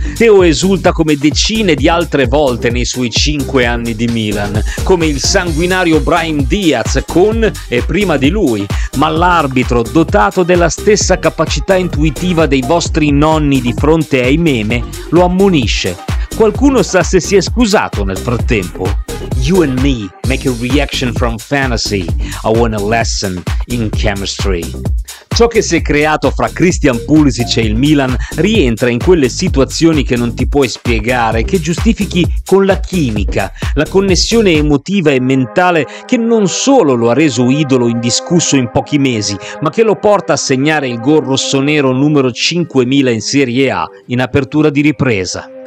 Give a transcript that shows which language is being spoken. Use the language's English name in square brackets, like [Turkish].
[Italian] Theo esulta come decine di altre volte nei suoi 5 anni di Milan, come il sanguinario Brahim Diaz con e prima di lui, ma l'arbitro, dotato della stessa capacità intuitiva dei vostri nonni di fronte ai meme, lo ammonisce. Qualcuno sa se si è scusato nel frattempo? [English] You and me make a reaction from fantasy. I want a lesson in chemistry. [Italian] Ciò che si è creato fra Christian Pulisic e il Milan rientra in quelle situazioni che non ti puoi spiegare, che giustifichi con la chimica, la connessione emotiva e mentale che non solo lo ha reso idolo indiscusso in pochi mesi, ma che lo porta a segnare il gol rossonero numero 5000 in Serie A in apertura di ripresa.